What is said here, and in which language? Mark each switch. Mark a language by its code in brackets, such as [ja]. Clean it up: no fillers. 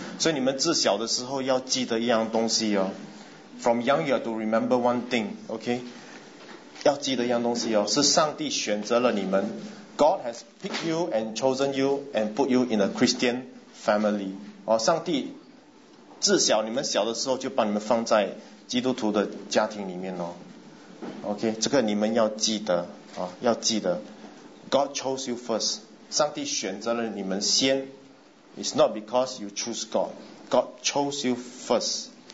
[zh] 所以你们自小的时候要记得一样东西哦。 [en] From young you have to remember one thing, OK？ [zh] 要记得一样东西哦，是上帝选择了你们。 [en] God has picked you and chosen you and put you in a Christian family. [zh] 上帝自小你们小的时候就把你们放在基督徒的家庭里面哦。 OK， 这个你们要记得啊，要记得。 [en] God chose you first. [zh] 上帝选择了你们先。 [en] It's not because you choose God. God chose you first.